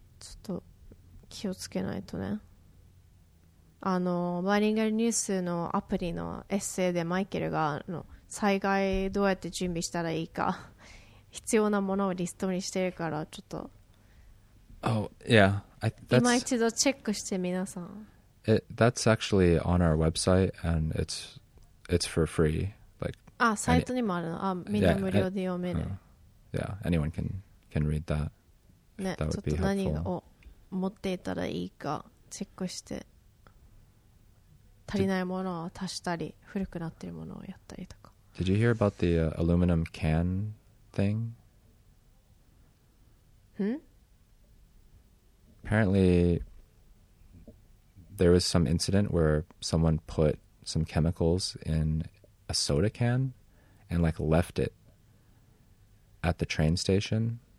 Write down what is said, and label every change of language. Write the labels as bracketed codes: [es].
[ja] ちょっと気をつけないとね。バイリンガルニュースのアプリのエッセイでマイケルが災害どうやって準備したらいいか必要なものをリストにしてるから、ちょっと今一度チェックして、皆さん [en] That's actually on our website and it's for free、like、 [ja] サイトにもあるの、みんな無料で読める。 [en] Yeah, anyone can read that、 [ja] ね、 [en] that would be helpful. [ja] 何を持っていたらいいかチェックして、足りないものを足したり、古くなってるものをやったりとか。 [en] Did you hear about the、aluminum can thing? Apparently, there was some incident where someone put some chemicals in a soda can and like left it at the train station.